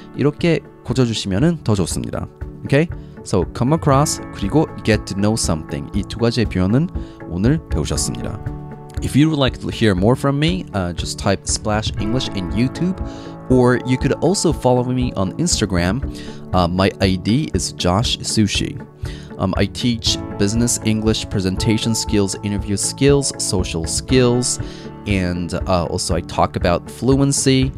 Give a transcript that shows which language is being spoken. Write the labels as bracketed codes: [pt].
[ko] 이렇게 고쳐주시면 더 좋습니다. 오케이? [en] So come across 그리고 get to know something. [ko] 이 두 가지의 표현은 오늘 배우셨습니다. [en] If you would like to hear more from me, just type Splash English in YouTube. Or you could also follow me on Instagram. My ID is Josh Sushi. I teach business English presentation skills, interview skills, social skills, and also I talk about fluency.